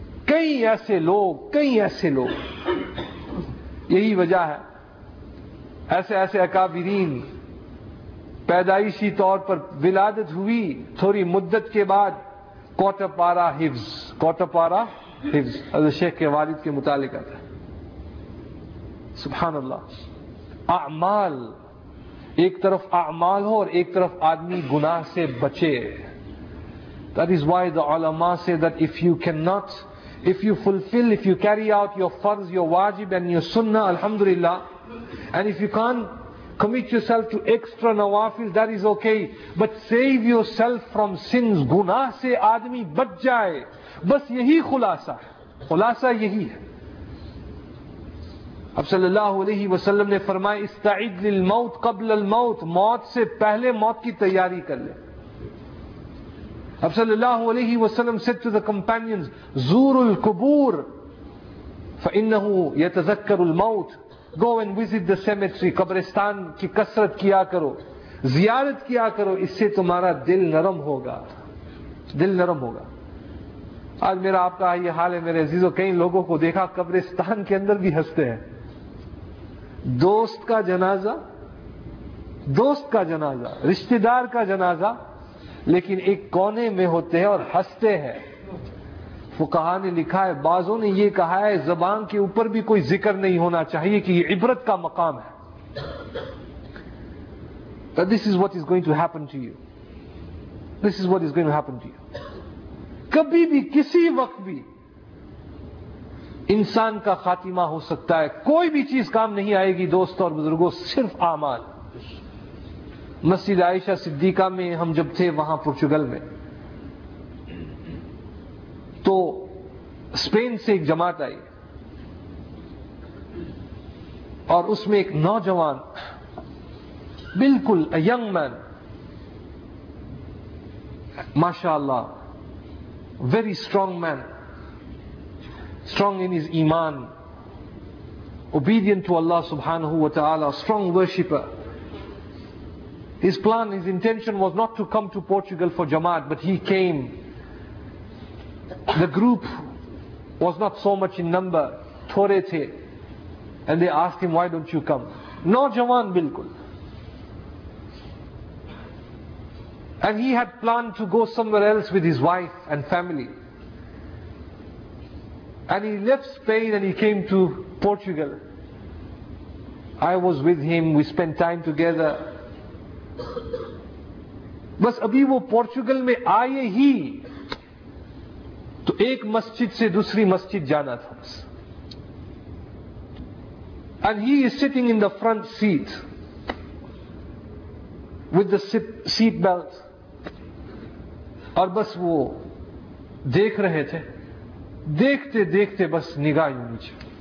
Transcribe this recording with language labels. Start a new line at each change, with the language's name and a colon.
Urdu: کئی ایسے لوگ, کئی ایسے لوگ, یہی وجہ ہے ایسے ایسے اکابرین پیدائشی طور پر ولادت ہوئی, تھوڑی مدت کے بعد کوٹہ پارا حفظ, کوٹہ پارا حفظ, حضرت شیخ کے والد کے متعلقہ تھا, سبحان اللہ. اعمال, ایک طرف اعمال ہو اور ایک طرف آدمی گناہ سے بچے.
English: That is why the ulama say that if you cannot, if you fulfill, if you carry out your farz, your wajib and your sunnah, alhamdulillah, and if you can't commit yourself to extra nawafil, that is okay, but save yourself from sins.
Urdu: گناہ سے آدمی بچ جائے, بس یہی خلاصہ ہے, خلاصہ یہی ہے. اب صلی اللہ علیہ وسلم نے فرمایا
Arabic: استعد للموت قبل الموت,
Urdu: موت سے پہلے موت کی تیاری کر لے. اب صلی اللہ علیہ وسلم
English: said to the companions
Arabic: زور القبور فإنه يتذكر الموت,
English: go and visit the cemetery,
Urdu: قبرستان کی کثرت کیا کرو, زیارت کیا کرو, اس سے تمہارا دل نرم ہوگا, دل نرم ہوگا. آج میرا آپ کا یہ حال ہے میرے عزیزو, کئی لوگوں کو دیکھا قبرستان کے اندر بھی ہنستے ہیں. دوست کا جنازہ, دوست کا جنازہ, رشتہ دار کا جنازہ, لیکن ایک کونے میں ہوتے ہیں اور ہنستے ہیں. فقہا نے لکھا ہے, بعضوں نے یہ کہا ہے زبان کے اوپر بھی کوئی ذکر نہیں ہونا چاہیے کہ یہ عبرت کا مقام ہے.
English: That this is what is going to happen to you. This is what is going to happen to you.
Urdu: کبھی بھی کسی وقت بھی انسان کا خاتمہ ہو سکتا ہے, کوئی بھی چیز کام نہیں آئے گی دوست اور بزرگوں, صرف اعمال. مسجد عائشہ صدیقہ میں ہم جب تھے وہاں پرتگال میں, تو اسپین سے ایک جماعت آئی اور اس میں ایک نوجوان بالکل ینگ مین ماشاء اللہ
English: Very strong man strong in his ایمان obedient to اللہ سبحانہ و تعالی strong worshipper. His plan, his intention was not to come to Portugal for Jamaat, but he came. The group was not so much in number,
Urdu: thore the,
English: and they asked him, why don't you come?
Urdu: Nojawan bilkul.
English: And he had planned to go somewhere else with his wife and family. And he left Spain and he came to Portugal. I was with him, we spent time together.
Urdu: بس ابھی وہ پرتگال میں آئے ہی تو ایک مسجد سے دوسری مسجد جانا تھا بس.
English: And he is sitting in the front seat with the seat belt,
Urdu: اور بس وہ دیکھ رہے تھے, دیکھتے دیکھتے بس نگاہ یوں نیچے.